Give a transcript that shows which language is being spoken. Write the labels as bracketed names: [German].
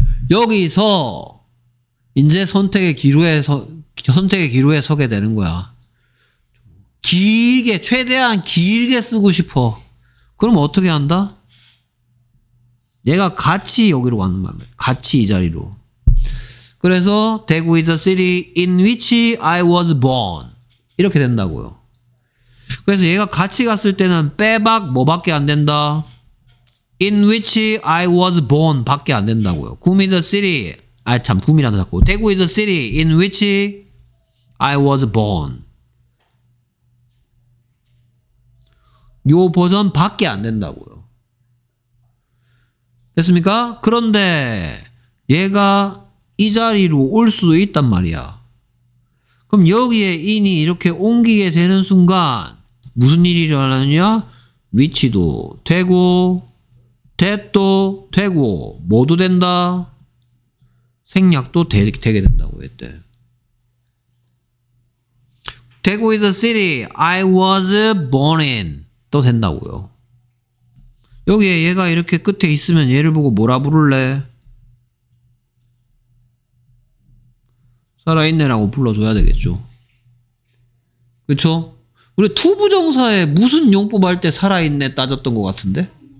[Korean] 여기서 이제 선택의 기로에 서게 되는 거야. 길게 최대한 길게 쓰고 싶어. 그럼 어떻게 한다? 얘가 같이 여기로 가는 말이야. 같이 이 자리로. 그래서 [English] Daegu is the city in which I was born. [Korean] 이렇게 된다고요. 그래서 얘가 같이 갔을 때는 빼박 뭐밖에 안 된다. [English] In which I was born [Korean] 밖에 안 된다고요. [English] Gum is the city. [Korean] 아 참 Gum이라도 자꾸. [English] Daegu is the city in which I was born. [Korean] 요 버전 밖에 안 된다고요. 됐습니까? 그런데 얘가 이 자리로 올 수도 있단 말이야. 그럼 여기에 인이 이렇게 옮기게 되는 순간 무슨 일이 일어나느냐? 위치도 되고 대도 되고 모두 된다. 생략도 되게 된다고 했대. [English] Daegu is the city I was born in. [Korean] 또 된다고요. 여기에 얘가 이렇게 끝에 있으면 얘를 보고 뭐라 부를래? 살아있네라고 불러줘야 되겠죠. 그쵸? 우리 투부정사에 무슨 용법 할 때 살아있네 따졌던 것 같은데?